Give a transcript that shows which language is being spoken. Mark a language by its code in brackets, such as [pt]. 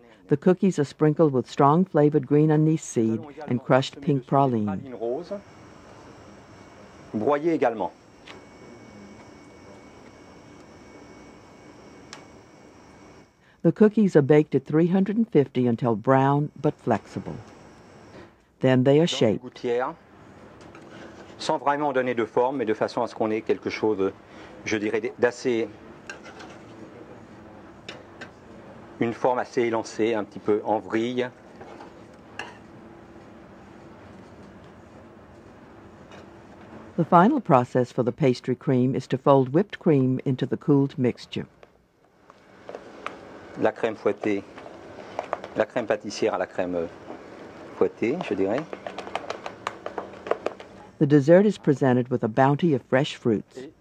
[en] The cookies are sprinkled with strong flavored green anise seed and crushed pink praline. [fr] Broyer également. [en] The cookies are baked at 350 until brown but flexible. Then they are shaped. [fr] Gouttière, sans vraiment donner de forme, mais de façon à ce qu'on ait quelque chose, je dirais, d'assez. Une forme assez élancée, un petit peu en vrille. [en] The final process for the pastry cream is to fold whipped cream into the cooled mixture. [fr] La crème fouettée, la crème pâtissière à la crème fouettée, je dirais. [en] The dessert is presented with a bounty of fresh fruits.